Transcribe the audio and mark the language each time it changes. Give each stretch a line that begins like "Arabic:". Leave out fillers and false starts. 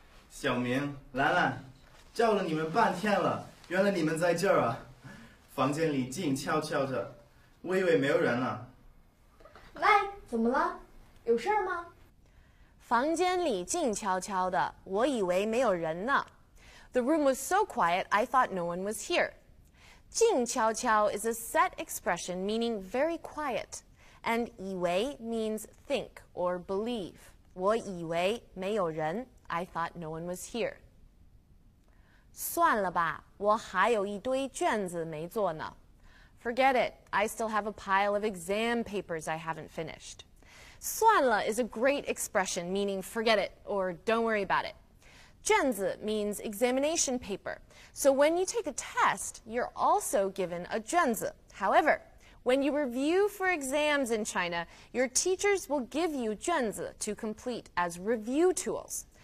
Chinese: 小明、兰兰，叫了你们半天了，原来你们在这儿啊！房间里静悄悄的，我以为没有人了。喂，怎么了？有事儿吗？房间里静悄悄的，我以为没有人呢。
English: The room was so quiet, I thought no one was here. 静悄悄 is a set expression meaning very quiet, and 以为 means think or believe.
Chinese: 我以为没有人
English: I thought no one was here.
Chinese: 算了吧，我还有一堆卷子没做呢。
English: Forget it, I still have a pile of exam papers I haven't finished. 算了 is a great expression meaning forget it or don't worry about it. 卷子 means examination paper. So when you take a test, you're also given a 卷子. However, when you review for exams in China, your teachers will give you 卷子 to complete as review tools.